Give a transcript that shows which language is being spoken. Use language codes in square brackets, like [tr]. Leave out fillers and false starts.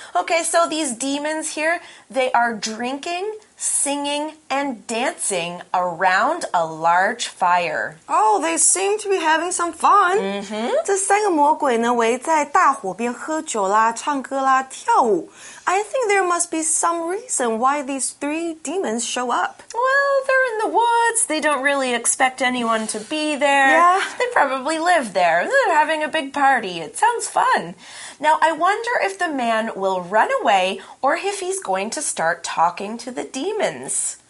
[en] Okay, so these demons here, they are drinking... singing and dancing around a large fire. Oh, they seem to be having some fun. Mm-hmm. [zh] 这三个魔鬼呢，围在大火边喝酒啦，唱歌啦，跳舞。 [en] I think there must be some reason why these three demons show up. Well, they're in the woods. They don't really expect anyone to be there. Yeah. They probably live there. They're having a big party. It sounds fun. Now, I wonder if the man will run away or if he's going to start talking to the demons.